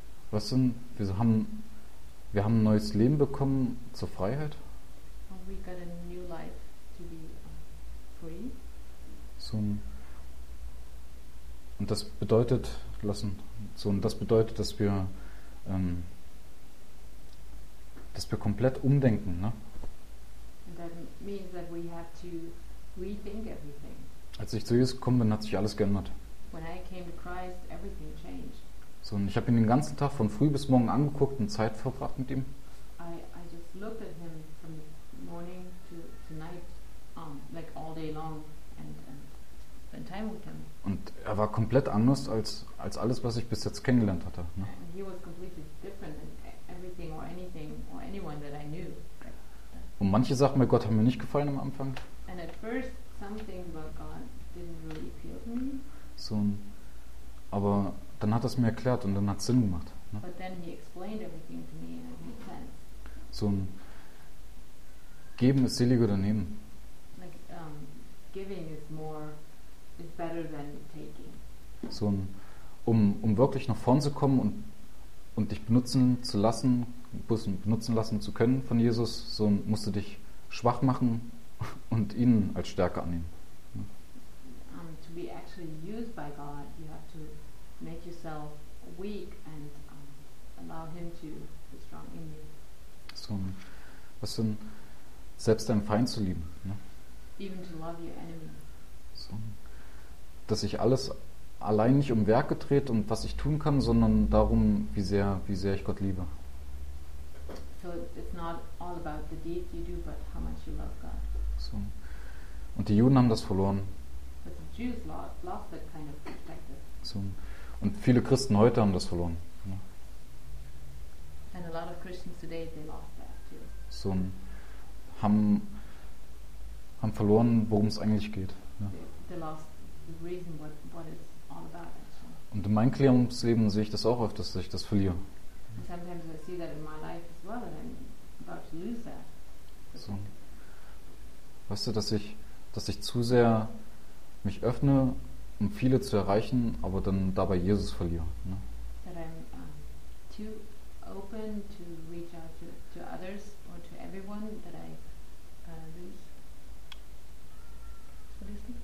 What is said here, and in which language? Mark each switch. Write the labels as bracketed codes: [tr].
[de] Was sind, wir haben ein neues Leben bekommen zur Freiheit. [en] We got a new life to be free. [de] So ein, und das bedeutet, lassen, so und das bedeutet, dass wir komplett umdenken, ne? [en] And that means that we have to rethink everything. [de] Als ich zu Jesus gekommen bin, hat sich alles geändert. [en] When I came to Christ, everything changed. [de] So, und ich habe ihn den ganzen Tag von früh bis morgen angeguckt und Zeit verbracht mit ihm. [en] I just looked at him from the morning to night, like all day long, and spent time with him. [de] Und er war komplett anders als alles, was ich bis jetzt kennengelernt hatte. Ne? [en] And he was completely different than everything or anything or anyone that I knew. [de] Und manche Sachen bei Gott haben mir nicht gefallen am Anfang. [en] And at first, something about God didn't really appeal to me. [de] So, aber dann hat es mir erklärt und dann hat es Sinn gemacht. Ne? [en] But then he explained everything to me and it made sense. [de] So ein Geben ist seliger oder nehmen. [en] Like, giving is better than taking. [de] So ein, um wirklich nach vorn zu kommen und dich benutzen lassen zu können von Jesus, so ein, musst du dich schwach machen und ihn als Stärke annehmen. [en] Be actually used by God, you have to make yourself weak and allow him to be strong in you. [de] So, was denn, selbst deinen Feind zu lieben, ne? [en] Even to love your enemy. [de] So, dass sich alles allein nicht um Werke dreht und was ich tun kann, sondern darum, wie sehr ich Gott liebe. [en] So it's not all about the deeds you do, but how much you love God. [de] So, und die Juden haben das verloren. [en] But the Jews lost that kind of perspective. [de] So, und viele Christen heute haben das verloren. Ne? [en] And a lot of Christians today, they lost that too. [de] So, haben verloren, worum es eigentlich geht. Ne? [en] They lost the reason what it's all about, actually. [de] Und in meinem Klärungsleben sehe ich das auch oft, dass ich das verliere. [en] And sometimes I see that in my life as well, and I'm about to lose that. [de] So, weißt du, dass ich zu sehr mich öffne, um viele zu erreichen, aber dann dabei Jesus verliere. Ne? [en] That I'm too open to reach out to others or to everyone that I lose.